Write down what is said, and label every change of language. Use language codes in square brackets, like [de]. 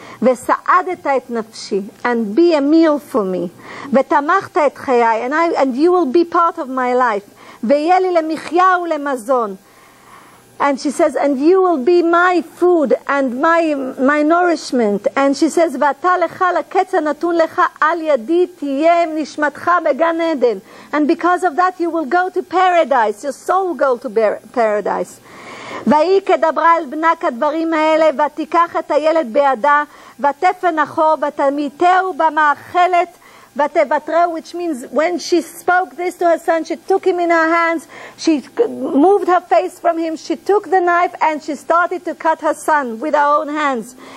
[he] וסעדת את נפשי, [en] and be a meal for me. [he] ותמכת את חיי, [en] and you will be part of my life. [he] ויהיה לי למחיה ולמזון. [en] And she says, and you will be my food and my nourishment. And she says, [he] ואתה לך לקץ הנתון לך על ידי תהיה נשמתך בגן עדן. [en] And because of that, you will go to paradise. Your soul will go to paradise. [he] והיא כדברה אל בנה כדברים האלה, ותיקח את הילד בידה, ותפן אחור, ותמיתהו במאכלת, ותבטרהו, [en] which means when she spoke this to her son, she took him in her hands, she moved her face from him, she took the knife, and she started to cut her son with her own hands.